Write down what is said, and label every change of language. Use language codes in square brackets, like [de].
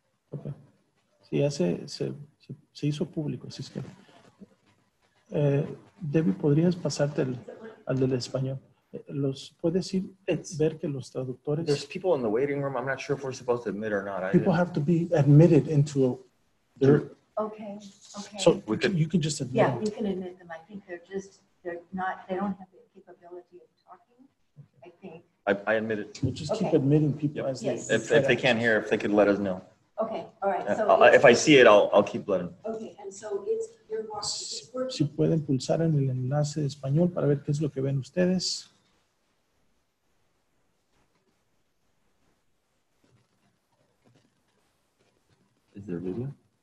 [es] Ok. Sí, ya se hizo público. Así es que, Debbie, ¿podrías pasarte al del español? ¿Puedes ir ver que los traductores? [en] There's people in the waiting room. I'm not sure if we're supposed to admit or not. People have to be admitted into their... Okay. So you can just admit. Yeah, you can admit them. I think they don't have the capability of talking. I think. I admit it. We'll just keep admitting people as they. Yes. If they can't hear, if they could let us know. Okay. All right. So if I see it, I'll keep letting. Okay. And so it's your mark. [es] Si pueden pulsar en el enlace de español para ver qué es lo que ven ustedes. [en] Is there video?